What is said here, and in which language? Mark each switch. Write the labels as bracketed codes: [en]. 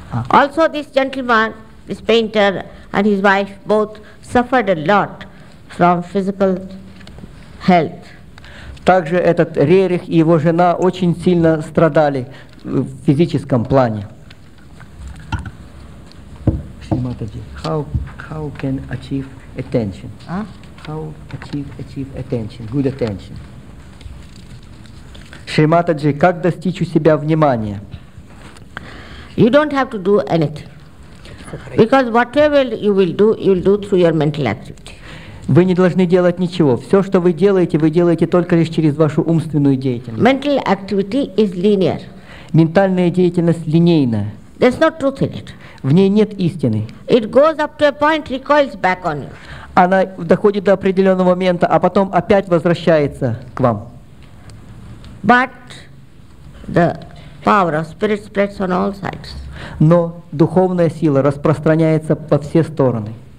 [en] Also, this gentleman, this painter, and his wife both suffered a lot from physical health. [ru] Также этот Рерих и его жена очень сильно страдали в физическом плане. [en] How can achieve attention? How achieve attention? Good attention. [ru] Шри Матаджи, как достичь у себя внимания? [en] You don't have to do anything. Because whatever you will do through your mental activity. [ru] Вы не должны делать ничего. Все, что вы делаете только лишь через вашу умственную деятельность. [en] Mental activity is linear. [ru] Ментальная деятельность линейная. [en] There's no truth in it. [ru] В ней нет истины. [en] It goes up to a point, recoils back on you. [ru] Она доходит до определенного момента, а потом опять возвращается к вам. [en] But the power of spirit spreads on all sides. [ru] Но духовная сила распространяется по все стороны.